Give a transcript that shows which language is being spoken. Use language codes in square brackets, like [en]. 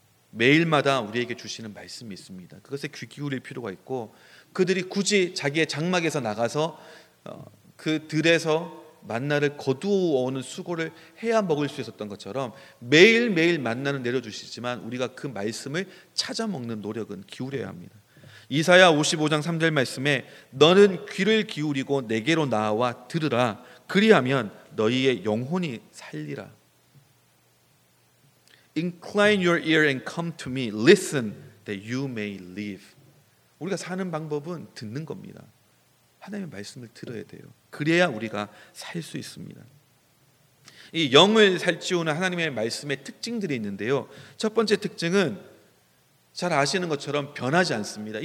[ko] 매일마다 우리에게 주시는 말씀이 있습니다. 그것에 귀 기울일 필요가 있고, 그들이 굳이 자기의 장막에서 나가서 그 들에서 만나를 거두어오는 수고를 해야 먹을 수 있었던 것처럼 매일매일 만나는 내려주시지만 우리가 그 말씀을 찾아 먹는 노력은 기울여야 합니다. 이사야 55장 3절 말씀에 너는 귀를 기울이고 내게로 나와 들으라, 그리하면 너희의 영혼이 살리라. [en] Incline your ear and come to me. Listen that you may live. [ko] 우리가 사는 방법은 듣는 겁니다. 하나님의 말씀을 들어야 돼요. 그래야 우리가 살 수 있습니다. 이 영을 살찌우는 하나님의 말씀의 특징들이 있는데요. 첫 번째 특징은 잘 아시는 것처럼 변하지 않습니다.